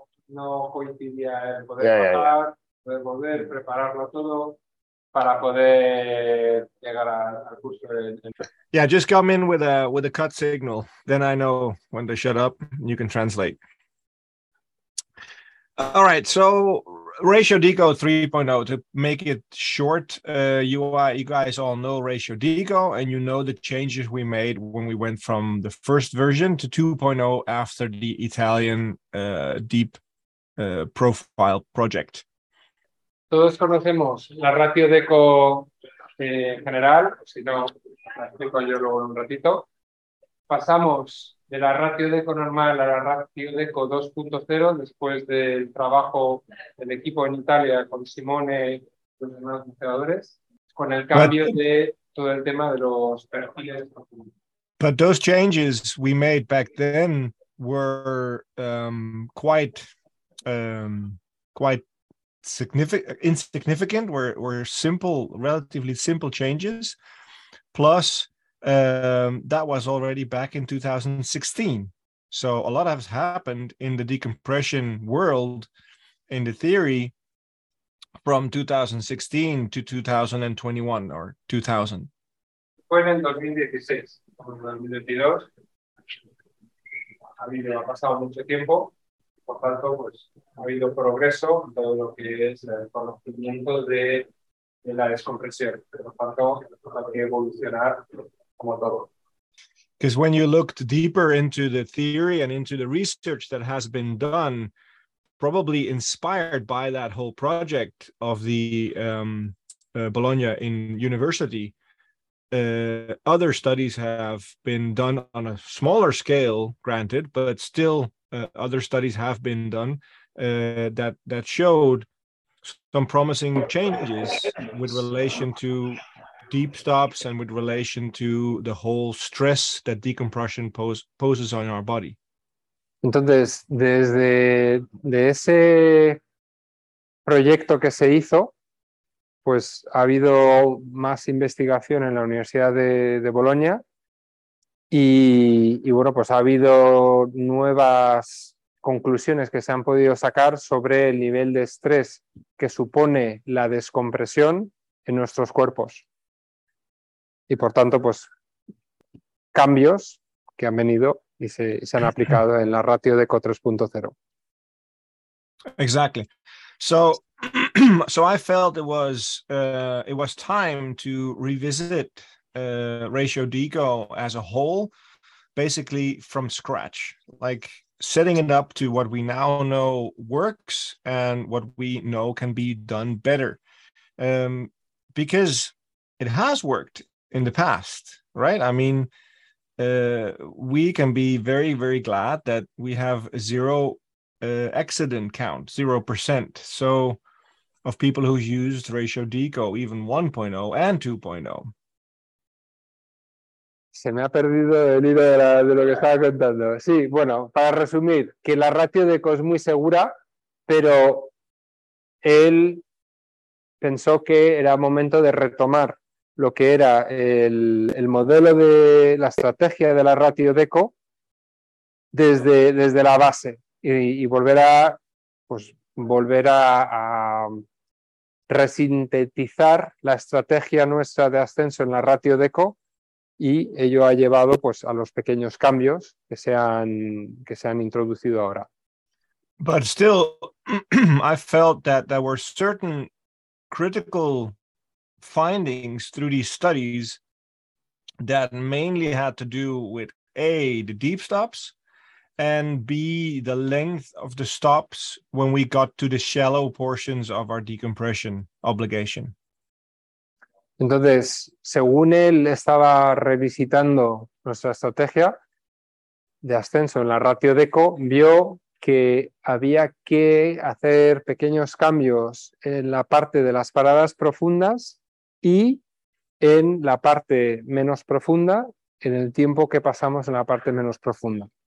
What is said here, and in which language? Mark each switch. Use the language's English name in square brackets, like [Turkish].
[Spanish] No coincidía el poder pasar, poder volver, prepararlo todo para poder llegar al curso. [English] Yeah, just come in with a cut signal, then I know when to shut up. You can translate. All right, so Ratio Deco 3.0, to make it short, you guys all know Ratio Deco, and you know the changes we made when we went from the first version to 2.0 after the Italian deep profile project. [Spanish] Todos conocemos la ratio deco general, si no, la explico yo luego en un ratito. Pasamos de la ratio deco normal a la ratio deco 2.0 después del trabajo del equipo en Italia con Simone y los demás entrenadores, con el cambio de todo el tema de los perfiles. [English] But those changes we made back then were quite insignificant, were simple, relatively simple changes. Plus, that was already back in 2016. So a lot has happened in the decompression world, in the theory, from 2016 to 2021 or 2000. [Spanish] Fue en 2016, 2022. Ha pasado mucho tiempo. Por tanto, pues ha habido progreso en todo lo que es el conocimiento de la descompresión. Pero por tanto, hay que evolucionar. [English] Because when you looked deeper into the theory and into the research that has been done, probably inspired by that whole project of the Bologna in university, other studies have been done on a smaller scale, granted, but still other studies have been done that showed some promising changes with relation to deep stops and with relation to the whole stress that decompression poses on our body. [Spanish] Entonces, desde ese proyecto que se hizo, pues ha habido más investigación en la Universidad de Bologna y bueno, pues ha habido nuevas conclusiones que se han podido sacar sobre el nivel de estrés que supone la descompresión en nuestros cuerpos. Y por tanto, pues cambios que han venido y se han aplicado en la ratio de ECO 3.0. [English] Exactly. So I felt it was time to revisit Ratio Deco as a whole, basically from scratch, like setting it up to what we now know works and what we know can be done better. Because it has worked in the past, right? I mean, we can be very, very glad that we have zero accident count, 0%. So of people who used Ratio Deco, even 1.0 and 2.0. [Spanish] Se me ha perdido el hilo de lo que estaba contando. Sí, bueno, para resumir, que la ratio deco es muy segura, pero él pensó que era momento de retomar lo que era el modelo de la estrategia de la ratio deco desde la base y volver a resintetizar la estrategia nuestra de ascenso en la ratio deco, y ello ha llevado pues a los pequeños cambios que se han introducido ahora. [English] But still, I felt that there were certain critical findings through these studies that mainly had to do with A, the deep stops, and B, the length of the stops when we got to the shallow portions of our decompression obligation. [Spanish] Entonces, según él, estaba revisitando nuestra estrategia de ascenso en la ratio deco, vio que había que hacer pequeños cambios en la parte de las paradas profundas y en la parte menos profunda, en el tiempo que pasamos en la parte menos profunda.